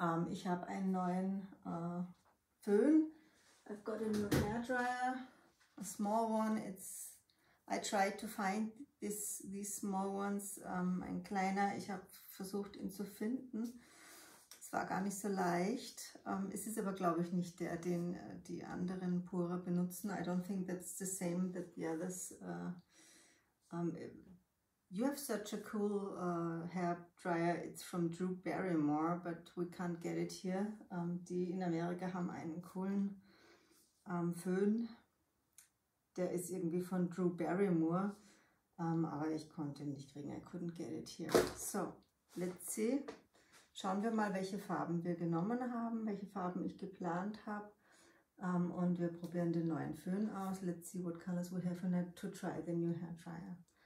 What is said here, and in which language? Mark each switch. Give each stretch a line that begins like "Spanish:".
German: ich habe einen neuen Föhn.
English: I've got a new hair dryer, a small one. I tried to find these small ones,
German: ein kleiner. Ich habe versucht, ihn zu finden. Es war gar nicht so leicht. Es ist aber, glaube ich, nicht der, den die anderen Pura benutzen.
English: I don't think that's the same that the others. You have such a cool hair dryer. It's from Drew Barrymore, but we can't get it here.
German: Die in Amerika haben einen coolen Föhn. Der ist irgendwie von Drew Barrymore, aber ich konnte ihn nicht kriegen.
English: I couldn't get it here. So, let's see.
German: Schauen wir mal, welche Farben wir genommen haben, welche Farben ich geplant habe. Und wir probieren den neuen Föhn aus.
English: Let's see what colors we have to try the new hair dryer.